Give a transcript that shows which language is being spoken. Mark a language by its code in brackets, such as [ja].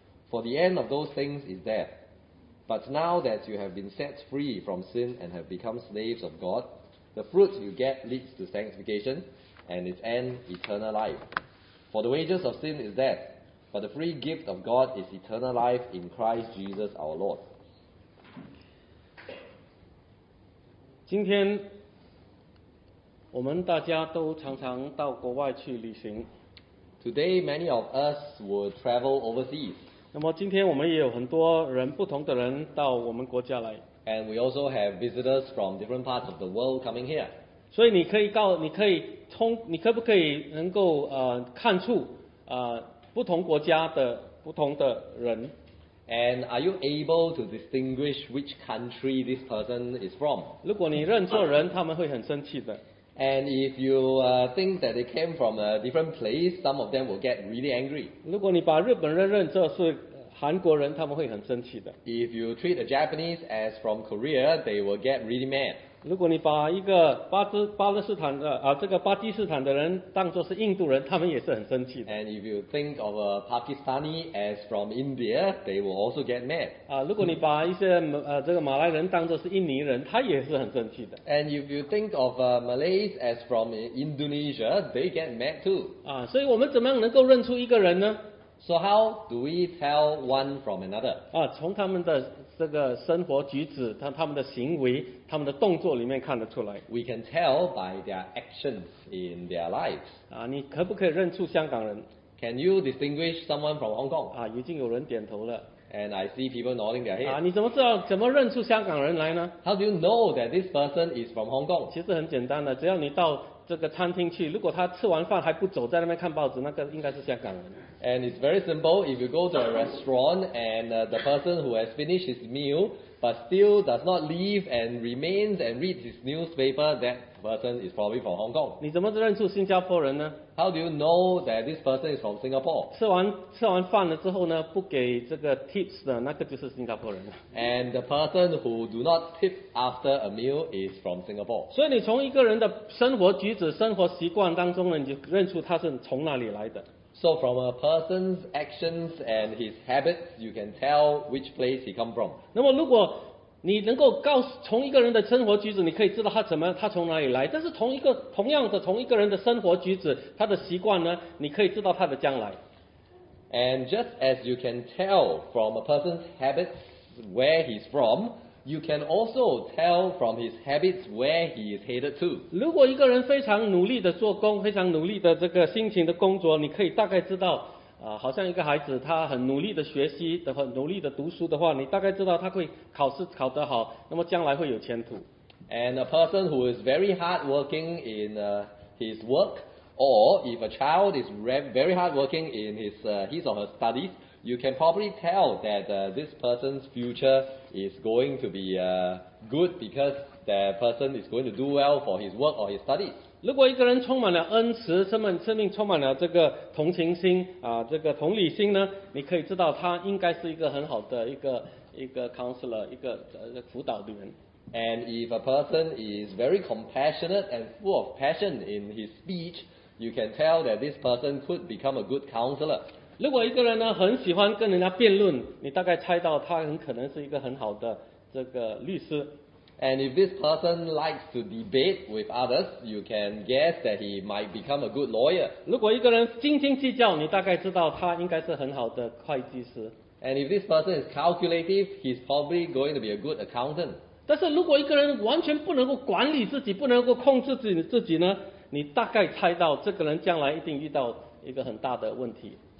[en] For the end of those things is death. But now that you have been set free from sin and have become slaves of God, the fruit you get leads to sanctification, and its end, eternal life. For the wages of sin is death, but the free gift of God is eternal life in Christ Jesus our Lord. [zh] 今天我们大家都常常到国外去旅行。 [en] Today, many of us would travel overseas. [zh] 那么今天我们也有很多人，不同的人到我们国家来。 [en] And we also have visitors from different parts of the world coming here. [zh] 所以你可不可以能够看出不同国家的不同的人 [en] ？And are you able to distinguish which country this person is from? [zh] 如果你认错人，他们会很生气的。 [en] And if you think that they came from a different place, some of them will get really angry. [zh] 如果你把日本人认作是韩国人，他们会很生气的。 [en] If you treat the Japanese as from Korea, they will get really mad. [zh] 如果你把一个巴基斯坦的人当作是印度人，他们也是很生气的。 [en] And if you think of a Pakistani as from India, they will also get mad. [zh] 如果你把一些马来人当作是印尼人，他也是很生气的。 [en] And if you think of Malays as from Indonesia, they get mad too. [zh] 所以我们怎么样能够认出一个人呢？ [en] So how do we tell one from another? [zh] 从他们的这个生活举止，他们的行为，他们的动作里面看得出来。 [en] We can tell by their actions in their lives. [zh] 你可不可以认出香港人？ [en] Can you distinguish someone from Hong Kong? [zh] 已经有人点头了。 [en] And I see people nodding their heads. [zh] 你怎么知道怎么认出香港人来呢？ [en] How do you know that this person is from Hong Kong? [zh] 其实很简单的，只要你到这个餐厅去，如果他吃完饭还不走，在那边看报纸，那个应该是香港人。 [en] And it's very simple. If you go to a restaurant and the person who has finished his meal but still does not leave and remains and reads his newspaper, that person is probably from Hong Kong. [zh] 你怎么认出新加坡人呢？ [en] How do you know that this person is from Singapore? [zh] 吃完饭了之后呢，不给这个 tips 的那个就是新加坡人。 [en] And the person who do not tip after a meal is from Singapore. [zh] 所以你从一个人的生活举止、生活习惯当中呢，你就认出他是从哪里来的。 [en] So from a person's actions and his habits, you can tell which place he come from. [zh] 那么如果你能够告诉从一个人的生活举止，你可以知道他怎么，他从哪里来。但是同一个人的生活举止，他的习惯呢，你可以知道他的将来。 [en] And just as you can tell from a person's habits where he's from, you can also tell from his habits where he is headed to. [zh] 如果一个人非常努力的做工，非常努力的这个辛勤的工作，你可以大概知道。好像一个孩子他很努力的学习的话，努力的读书的话，你大概知道他会考试考得好，那么将来会有前途。 [en] And a person who is very hardworking in his work, or if a child is very hardworking in his or her studies, you can probably tell that this person's future is going to be good because that person is going to do well for his work or his studies. [zh] 如果一个人充满了恩慈，生命充满了这个同情心这个同理心呢，你可以知道他应该是一个很好的一个 counselor， 一个辅导的人。 [en] And if a person is very compassionate and full of passion in his speech, you can tell that this person could become a good counselor. [zh] 如果一个人呢很喜欢跟人家辩论，你大概猜到他很可能是一个很好的这个律师。 [en] And if this person likes to debate with others, you can guess that he might become a good lawyer. [zh] 如果一个人斤斤计较，你大概知道他应该是很好的会计师。 [en] And if this person is calculative, he's probably going to be a good accountant. [zh] 但是如果一个人完全不能够管理自己，不能够控制自己呢，你大概猜到这个人将来一定遇到一个很大的问题。